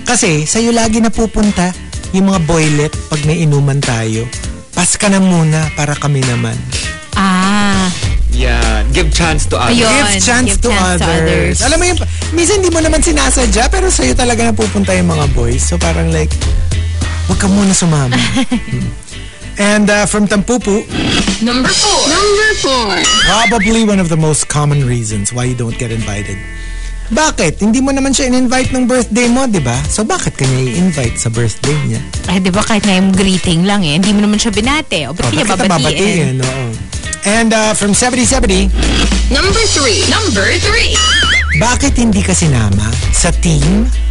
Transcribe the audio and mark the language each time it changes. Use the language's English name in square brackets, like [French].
[Filipino] Kasi, sa'yo lagi napupunta yung mga boylet pag may inuman tayo. Pass ka na muna para kami naman. [English] Yeah, give chance to others. Give chance to others. [Filipino] Alam mo yung, minsan hindi mo naman sinasadya, pero sa'yo talaga na pupunta yung mga boys. So parang like, wag ka muna sumama. [English] And from Tampupu. Number four. Probably one of the most common reasons why you don't get invited. [Filipino] Bakit? Hindi mo naman siya in-invite ng birthday mo, di ba? So bakit kanya i-invite sa birthday niya? Ay, di ba kahit na yung greeting lang eh. Hindi mo naman siya binate. O, bakit niya babatiin? niya [English] And from 7070. Number three. [Filipino] Bakit hindi ka sinama sa team?